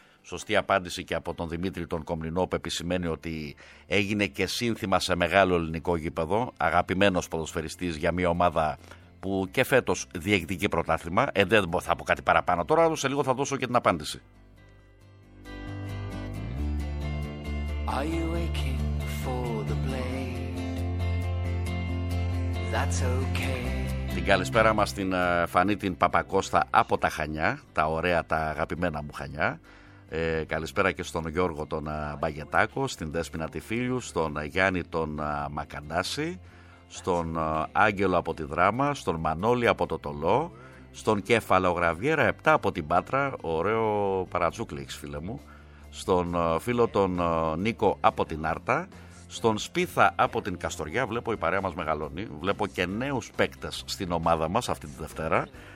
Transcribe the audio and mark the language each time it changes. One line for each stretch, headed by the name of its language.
Greek: Σωστή απάντηση και από τον Δημήτρη τον Κομνηνό που επισημαίνει ότι έγινε και σύνθημα σε μεγάλο ελληνικό γήπεδο. Αγαπημένος ποδοσφαιριστής για μια ομάδα που και φέτος διεκδικεί πρωτάθλημα. Δεν θα πω κάτι παραπάνω τώρα, σε λίγο θα δώσω και την απάντηση.
English: Are you aching for the blade? That's okay.
Greek: Την καλησπέρα μας την Φανή την Παπακώστα από τα Χανιά, τα ωραία, τα αγαπημένα μου Χανιά. Καλησπέρα και στον Γιώργο τον Μπαγετάκο, στην Δέσποινα τη Φίλιου, στον Γιάννη τον Μακαντάση, στον Άγγελο από τη Δράμα, στον Μανώλη από το Τολό, στον Κέφαλο Γραβιέρα 7 από την Πάτρα, ωραίο παρατσούκλιξ φίλε μου, στον φίλο τον Νίκο από την Άρτα, στον Σπίθα από την Καστοριά, βλέπω η παρέα μας μεγαλώνει, βλέπω και νέους παίκτες στην ομάδα μας αυτή τη Δευτέρα,